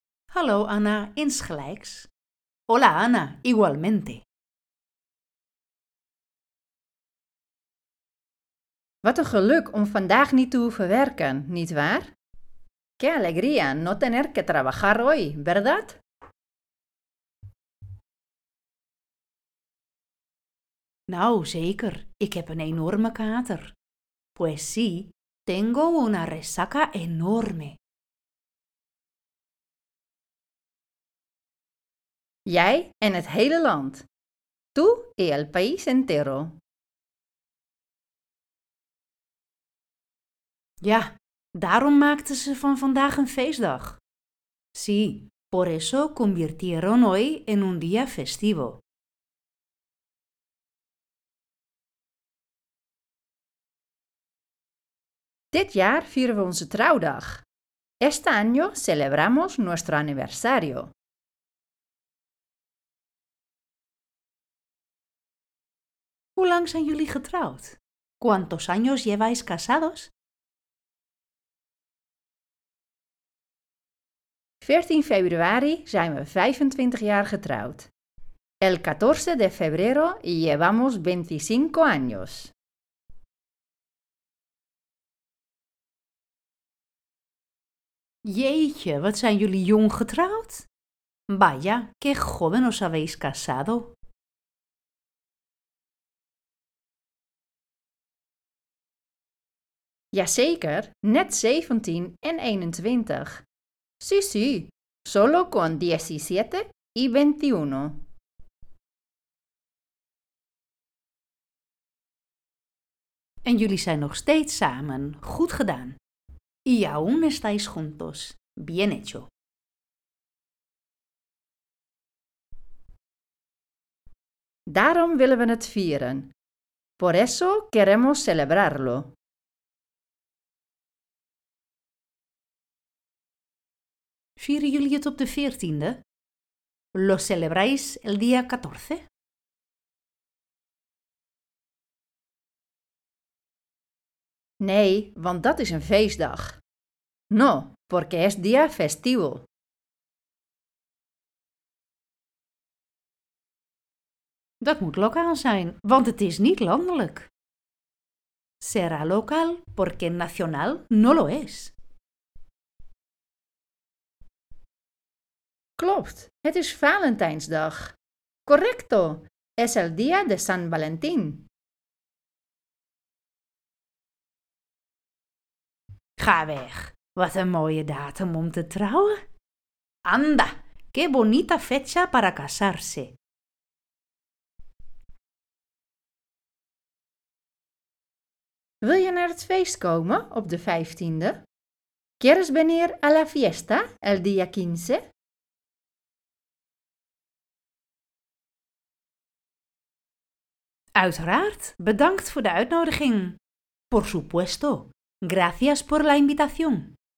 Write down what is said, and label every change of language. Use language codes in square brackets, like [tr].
[nl] Hallo Ana, insgelijks. [es] Hola Ana, igualmente. [nl] Wat een geluk om vandaag niet te hoeven werken, nietwaar? [es] Qué alegría no tener que trabajar hoy, ¿verdad? [nl] Nou, zeker. Ik heb een enorme kater. [es] Pues sí, tengo una resaca enorme. [nl] Jij en het hele land. [es] Tú y el país entero. [nl] Ja, daarom maakten ze van vandaag een feestdag. [es] Sí, por eso convirtieron hoy en un día festivo. [nl] Dit jaar vieren we onze trouwdag. [es] Este año celebramos nuestro aniversario. [nl] Hoe lang zijn jullie getrouwd? [es] ¿Cuántos años lleváis casados? [nl] 14 februari zijn we 25 jaar getrouwd. [es] El 14 de febrero llevamos 25 años. [nl] Jeetje, wat zijn jullie jong getrouwd? [es] Vaya, qué joven os habéis casado. [nl] Jazeker, net 17 en 21. [es] Sí, sí, solo con 17 y 21. [nl] En jullie zijn nog steeds samen. Goed gedaan. [es] Y aún estáis juntos. Bien hecho. [nl] Daarom willen we het vieren. [es] Por eso queremos celebrarlo. [nl] Vieren jullie het op de 14e? [es] ¿Lo celebráis el día 14? [nl] Nee, want dat is een feestdag. [es] No, porque es día festivo. [nl] Dat moet lokaal zijn, want het is niet landelijk. [es] Será local porque nacional no lo es. [nl] Klopt, het is Valentijnsdag. [es] Correcto, es el día de San Valentín. [nl] Ga weg. Wat een mooie datum om te trouwen. [es] Anda, qué bonita fecha para casarse. [nl] Wil je naar het feest komen op de 15e? [es] ¿Quieres venir a la fiesta el día 15? [nl] Uiteraard, bedankt voor de uitnodiging. [es] Por supuesto, gracias por la invitación.